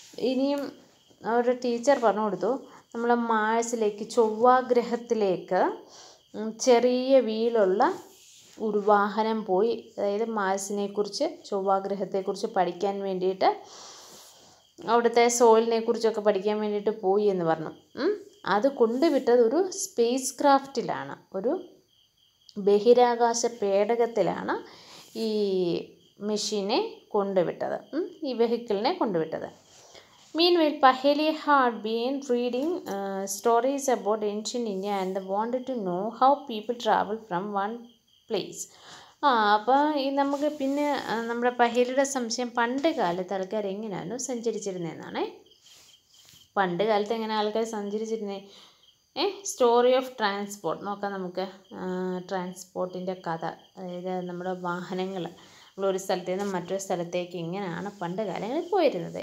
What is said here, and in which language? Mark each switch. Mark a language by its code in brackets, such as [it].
[ml] ഇനിയും അവരുടെ ടീച്ചർ പറഞ്ഞു കൊടുത്തു, നമ്മൾ മാർസിലേക്ക്, ചൊവ്വാഗ്രഹത്തിലേക്ക് ചെറിയ വീലുള്ള ഒരു വാഹനം പോയി, അതായത് മാർസിനെ കുറിച്ച്, ചൊവ്വാഗ്രഹത്തെക്കുറിച്ച് പഠിക്കാൻ വേണ്ടിയിട്ട്, അവിടുത്തെ സോയിലിനെ കുറിച്ചൊക്കെ പഠിക്കാൻ വേണ്ടിയിട്ട് പോയി എന്ന് പറഞ്ഞു. അത് കൊണ്ടുവിട്ടത് ഒരു സ്പേസ് ക്രാഫ്റ്റിലാണ്, ഒരു ബഹിരാകാശ പേടകത്തിലാണ് ഈ മെഷീനെ കൊണ്ടുവിട്ടത്, ഈ വെഹിക്കിളിനെ കൊണ്ടുവിട്ടത്. [en] Meanwhile, Paheli had been reading stories about ancient India and wanted to know how people travel from one place. [ml] അപ്പോൾ ഈ നമുക്ക് പിന്നെ നമ്മുടെ പഹേലിയുടെ സംശയം, പണ്ട് കാലത്ത് ആൾക്കാർ എങ്ങനെയാണ് സഞ്ചരിച്ചിരുന്നതെന്നാണേ. പണ്ട് കാലത്ത് എങ്ങനെ ആൾക്കാർ സഞ്ചരിച്ചിരുന്നേ? [en] story of transport [ml] നോക്കാം നമുക്ക്. ട്രാൻസ്പോർട്ടിൻ്റെ കഥ, അതായത് നമ്മുടെ വാഹനങ്ങൾ നമ്മളൊരു സ്ഥലത്ത് നിന്ന് മറ്റൊരു സ്ഥലത്തേക്ക് ഇങ്ങനെയാണ് പണ്ട് കാലങ്ങളിൽ പോയിരുന്നത്.